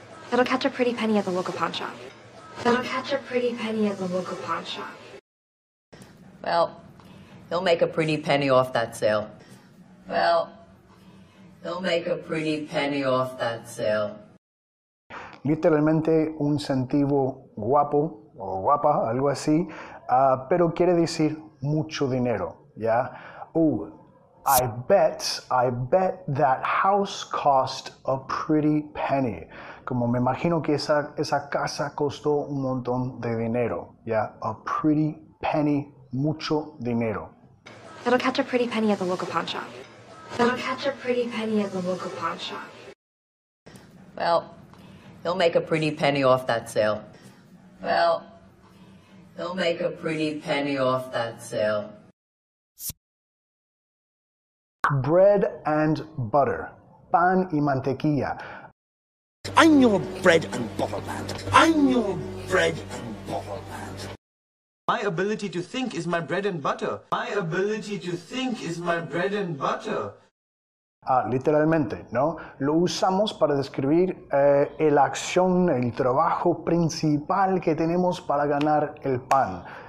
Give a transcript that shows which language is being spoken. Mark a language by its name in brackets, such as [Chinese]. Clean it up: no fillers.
[English] That'll catch a pretty penny at the local pawn shop. That'll catch a pretty penny at the local pawn shop. Well, he'll make a pretty penny off that sale. Well, he'll make a pretty penny off that sale. [Spanish] Literalmente un centavo guapo o guapa, algo así, pero quiere decir mucho dinero, ¿ya? [English] I bet that house cost a pretty penny. [Spanish] Como me imagino que esa casa costó un montón de dinero, ¿ya? [English] A pretty penny, [Spanish] mucho dinero. [English] That'll catch a pretty penny at the local pawn shop. That'll catch a pretty penny at the local pawn shop. Well, he'll make a pretty penny off that sale. Well, he'll make a pretty penny off that sale. Bread and butter. [Spanish] Pan y mantequilla. [English] I'm your bread and butter man. I'm your bread and butter man. My ability to think is my bread and butter. My ability to think is my bread and butter. [Spanish] Literalmente, ¿no? Lo usamos para describir la acción, el trabajo principal que tenemos para ganar el pan.